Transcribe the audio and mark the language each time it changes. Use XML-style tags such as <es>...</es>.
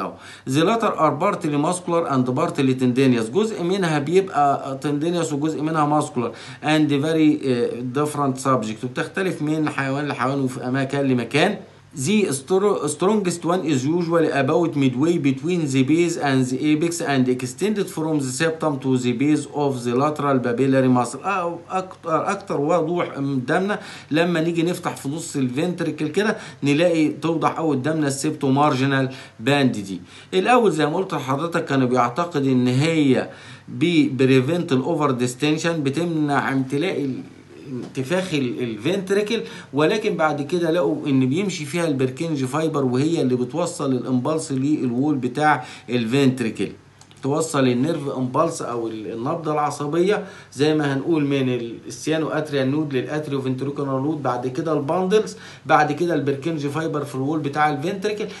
<en>Or the latter are partly muscular and partly tendinous.</en> <ar>جزء منها بيبقى تندينيوس وجزء منها ماسكولار</ar> <en>and very different subject,</en> <ar>وبتختلف من حيوان لحيوان وفي اماكن لمكان.</ar> <en>The strongest one is usually about midway between the base and the apex and extended from the septum to the base of the lateral papillary muscle.</en> <ar>أكتر وضوح قدامنا لما نيجي نفتح في نص الفنتريكل كده نلاقي توضح أو قدامنا السيبتو مارجنال باند دي. الأول زي ما قلت لحضرتك كانوا بيعتقد إن هي بريفنت الأوفر ديستنشن، بتمنع امتلاء انتفاخ الفنتريكل، ولكن بعد كده لقوا ان بيمشي فيها البركنج فايبر وهي اللي بتوصل الامبلس للوول بتاع الفنتريكل، توصل النيرف امبلس او النبضة العصبية زي ما هنقول من السيانو اتريا نود للاتريو فنتريكولار نود، بعد كده الباندلز، بعد كده البركنج فايبر في الوول بتاع الفنتريكل.</ar>